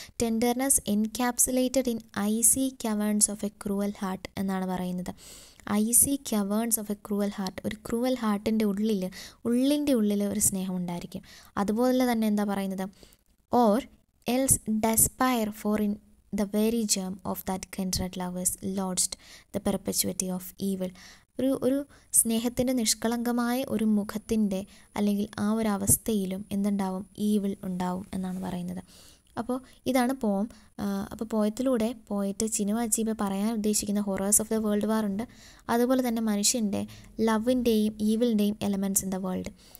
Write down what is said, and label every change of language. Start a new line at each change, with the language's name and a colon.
English: Tenderness encapsulated in icy caverns of a cruel heart എന്നാണ് പറയുന്നത്. Icy caverns of a cruel heart,
Malayalam: ഒരു cruel ഹാർട്ടിൻ്റെ ഉള്ളിൽ, ഉള്ളിൻ്റെ ഉള്ളിൽ ഒരു സ്നേഹം ഉണ്ടായിരിക്കും. അതുപോലെ തന്നെ എന്താ പറയുന്നത്,
English: Or else despair for in the very germ of that kindred lovers lodged the perpetuity of evil.
Malayalam: ഒരു ഒരു സ്നേഹത്തിൻ്റെ നിഷ്കളങ്കമായ ഒരു മുഖത്തിൻ്റെ അല്ലെങ്കിൽ ആ ഒരു അവസ്ഥയിലും എന്തുണ്ടാവും? ഈവിൾ ഉണ്ടാവും എന്നാണ് പറയുന്നത്. അപ്പോൾ ഇതാണ് പോം. അപ്പോൾ പോയത്തിലൂടെ പോയിട്ട് ചിനുവ അച്ചീബ പറയാൻ ഉദ്ദേശിക്കുന്ന
English: horrors of the world war
Malayalam: ഉണ്ട്, അതുപോലെ തന്നെ മനുഷ്യൻ്റെ ലവിൻ്റെയും ഈവിലിൻ്റെയും
English: Elements in the world.